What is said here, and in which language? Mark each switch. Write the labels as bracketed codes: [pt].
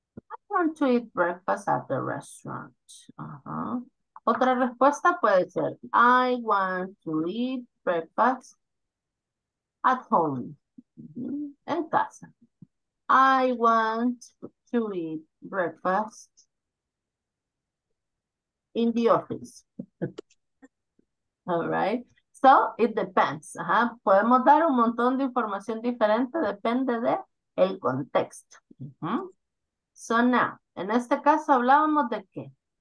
[en] I want to eat breakfast at the restaurant. Uh-huh. [es] Otra respuesta puede ser, [en] I want to eat breakfast at home, [es] en casa. [en] I want to eat breakfast in the office. All right. So, it depends. Ajá. [es] Podemos dar un montón de información diferente, depende de el contexto. [en] So now, [es] en este caso hablábamos de qué.